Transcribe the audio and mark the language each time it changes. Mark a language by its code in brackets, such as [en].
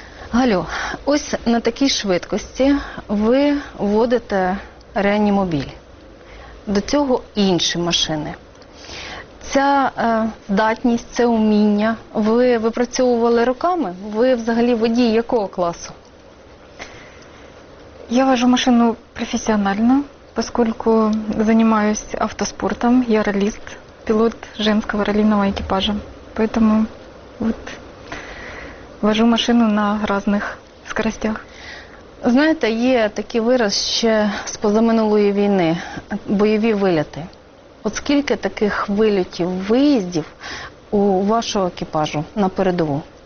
[uk] Галю, ось на такій швидкості ви водите реанімобіль. До цього інші машини. Ця здатність, це уміння, ви випрацьовували роками? Ви взагалі водій якого класу? [ru] Я вожу машину профессионально, поскольку занимаюсь автоспортом. Я раллист, пилот женского раллийного экипажа. Поэтому вот вожу машину на разных скоростях. [uk] Знаєте, є такий вираз ще з позаминулої війни – бойові виліти. От скільки таких вильотів, виїздів у вашого екіпажу на передову?